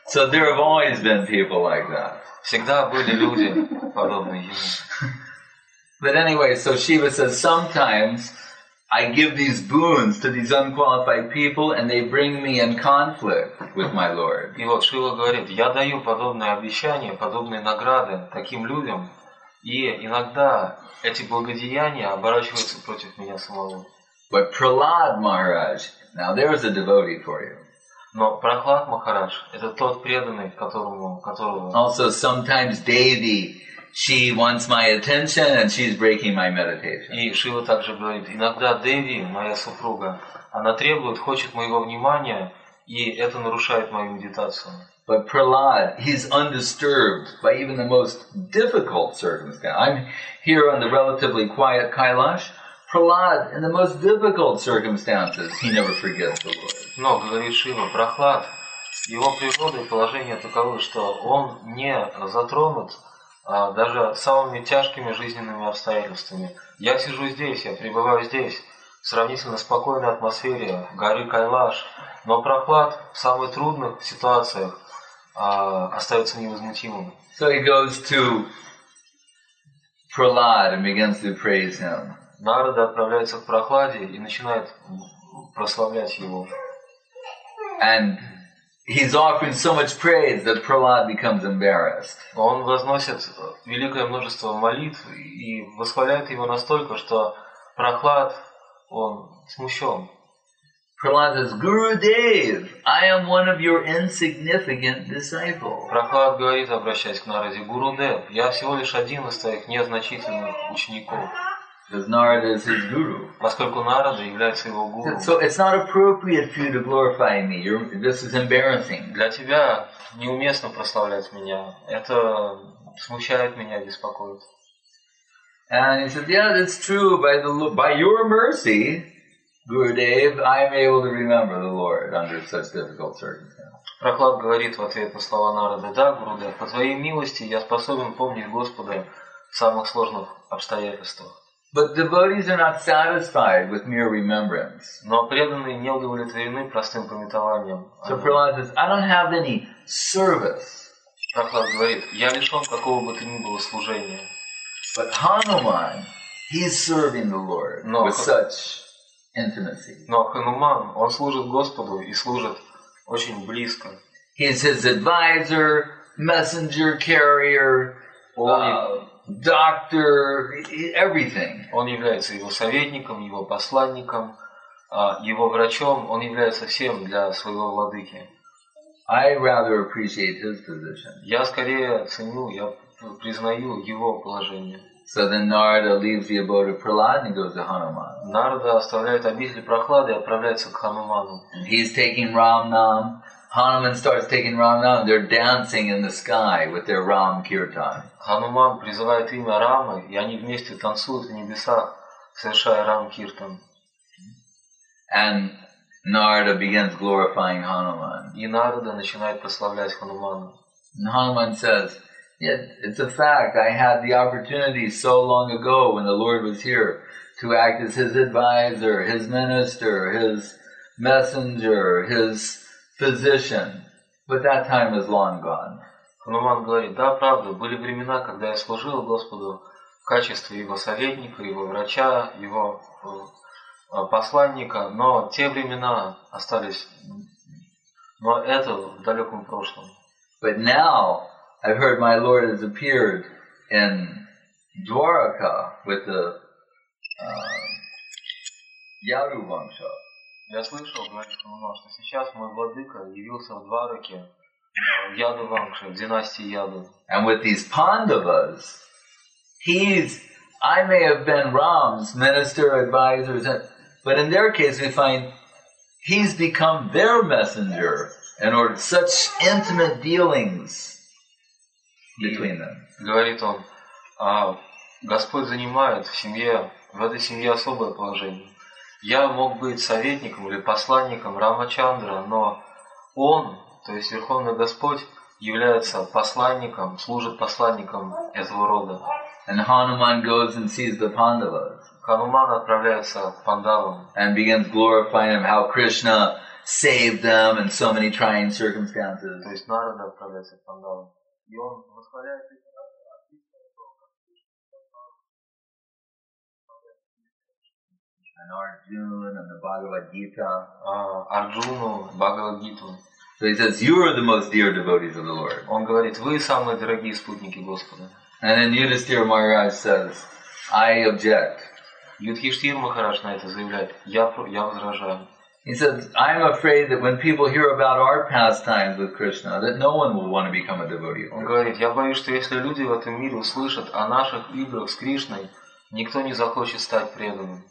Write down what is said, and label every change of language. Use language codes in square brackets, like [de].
[en] So there have always been people like that. [ru] Всегда были люди подобные ему. [en] But anyway, so Shiva says, sometimes I give these boons to these unqualified people and they bring me in conflict with my Lord. [ru] И вот Шива говорит, я даю подобные обещания, подобные награды таким людям, и иногда эти благодеяния оборачиваются против меня самого. [en] But Prahlad Maharaj, now there's a devotee for you. [ru] Но Прохлад Махарадж, это тот преданный, которого... [en] Also, sometimes Devi, she wants my attention and she's breaking my meditation. [ru] И Шива также говорит, иногда Деви, моя супруга, она требует, хочет моего внимания, и это нарушает мою медитацию. [en] But Prahlad, he's undisturbed by even the most difficult circumstances. I'm here on the relatively quiet Kailash. Prahlad, in the most difficult circumstances, he never forgets the Lord. [ru] Но, говорит Шива, Прохлад, его природа и положение таковы, что он не затронут даже самыми тяжкими жизненными обстоятельствами. Я сижу здесь, я пребываю здесь, в сравнительно спокойной атмосфере горы Кайлаш, но Прохлад в самых трудных ситуациях остается невозмутимым. [en] So he goes to Prahlad and begins to praise him. [ru] Нарада отправляется к Прохладе и начинает прославлять его. [en] And he's offering so much praise that Prahlad becomes embarrassed. [ru] Он возносит великое множество молитв и восхваляет его настолько, что Прохлад, он смущен. [en] Prahlad says, Gurudev, I am one of your insignificant disciples. [ru] Прохлад говорит, обращаясь к Нараде, Гурудев, я всего лишь один из твоих незначительных учеников. [en] Because Narada is his guru. [ru] Поскольку Нарада является его гуру. [en] So it's not appropriate for you to glorify me. This is embarrassing. [ru] Для тебя неуместно прославлять меня. Это смущает меня, беспокоит. [en] And he said, "Yeah, that's true. By your mercy, Gurudev, I'm able to remember the Lord under such difficult circumstances." [ru] Прохлад говорит в ответ на слова Нарады: "Да, Гурудев, по твоей милости я способен помнить Господа в самых сложных обстоятельствах." [en] But devotees are not satisfied with mere remembrance. [ru] Но преданные не удовлетворены простым памятованием. [en] So Prahlad says, "I don't have any service." [ru] Прохлад говорит, я лишён какого бы то ни было служения. [en] But Hanuman, he's serving the Lord with such intimacy. [ru] Но Хануман, он служит Господу и служит очень близко. [en] He is his advisor, messenger, carrier. Doctor, everything. [ru] Он является его советником, его посланником, его врачом. Он является всем для своего владыки. [en] I rather appreciate his position. [ru] Я скорее ценю, я признаю его положение. [en] So then Narada leaves the abode of Prahlad and goes to Hanuman. [ru] Нарада оставляет обитель Прохлады и отправляется к Хануману. [en] He's taking Ramnam. Hanuman starts taking Ramnam. They're dancing in the sky with their Ram Kirtan. [ru] Хануман призывает имя Рамы, и они вместе танцуют в небесах, совершая Рам Киртан. [en] And Narada begins glorifying Hanuman. [ru] И Нарада начинает прославлять Хануману. [en] And Hanuman says, "Yeah, it's a fact. I had the opportunity so long ago when the Lord was here to act as His advisor, His minister, His messenger, His physician. But that time is long gone." [ru] Хануман говорит: "Да, правда, были времена, когда я служил Господу в качестве Его советника, Его врача, Его посланника, но те времена остались, но это в далеком прошлом." [en] But now I've heard my Lord has appeared in Dwaraka with the Yadu Vamsha. [ru] Я слышал, что сейчас мой владыка явился в Двараке, в Яду Вамша, в династии Яду. [en] And with these Pandavas, I may have been Ram's minister, advisor, but in their case we find he's become their messenger and ordered such intimate dealings between them. [ru] Говорит он, Господь занимает в семье, в этой семье особое положение. Я мог быть советником или посланником Рамачандры, но он, то есть Верховный Господь, является посланником, служит посланником этого рода. [en] And Hanuman goes and sees the Pandavas. [ru] Хануман отправляется к Пандавам. [en] And begins glorifying them, how Krishna saved them in so many trying circumstances. [ru] То есть Нарада отправляется к Пандавам. И он восхваляет их. [en] And Arjuna and the Bhagavad Gita. Arjuna, Bhagavad Gita. So he says, "You are the most dear devotees of the Lord." [ru] Он говорит, вы самые дорогие спутники Господа. [en] And then Yudhishthira Maharaj says, "I object." [ru] Yudhishthira Maharaj на это заявляет, я возражаю. [en] He says, "I am afraid that when people hear about our pastimes with Krishna, that no one will want to become a devotee." [ru] Он говорит, я боюсь, что если люди в этом мире услышат о наших играх с Кришной, никто не захочет стать преданным.